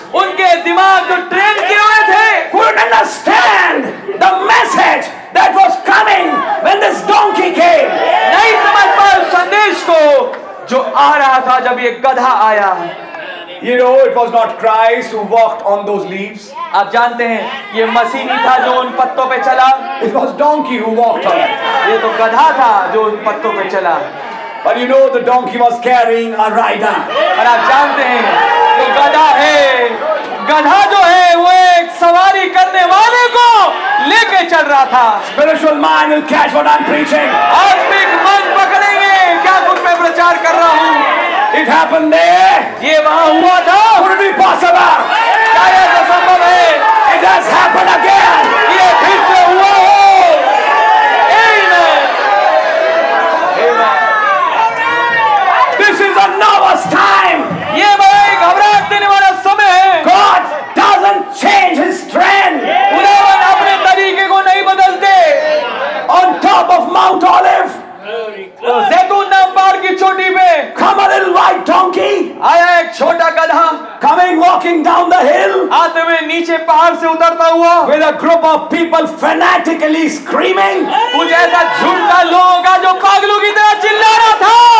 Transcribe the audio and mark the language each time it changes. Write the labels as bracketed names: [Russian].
[Hindi] उनके दिमाग जो ट्रेन किए हुए थे, [English] couldn't understand the message that was coming when this donkey came. [Hindi] नहीं समझ पाए उस संदेश को जो आ रहा था जब ये गधा आया. [English] You know, it was not Christ who walked on those leaves. [Hindi] आप जानते हैं ये मसीह नहीं था जो उन पत्तों पे चला. [English] It was donkey who walked on. [Hindi] ये तो गधा था जो उन पत्तों पे चला. [English] But you know the donkey was carrying a rider. [Hindi] और आप जानते हैं कि गधा है गधा जो है वो एक सवारी करने वाले को लेके चल रहा था. [English] Spiritual mind will catch what I'm preaching. [Hindi] आत्मिक मन पकड़ेंगे क्या कुछ मैं प्रचार कर रहा हूँ. [English] It happened there. [Hindi] ये वहाँ हुआ था. [English] Would it be possible? [Hindi] क्या ये संभव है? [English] It has happened again. [Hindi] ये फिर से हुआ हो. Amen. [English] Amen. This is a nervous time. [Hindi] ये भाई घबराहट देने वाला समय है. [English] God doesn't change His strength. [Hindi] खुदावन अपने तरीके को नहीं बदलते. [English] On top of Mount Olive. [Hindi] जैतून नाम पहाड़ की चोटी पे [English] come a little white donkey. [Hindi] आया एक छोटा गधा [English] coming walking down the hill. [Hindi] आते हुए नीचे पहाड़ से उतरता हुआ [English] with a group of people frantically screaming. [Hindi] कुछ ऐसा झूठा लोगों का जो पागलों की तरह चिल्ला रहा था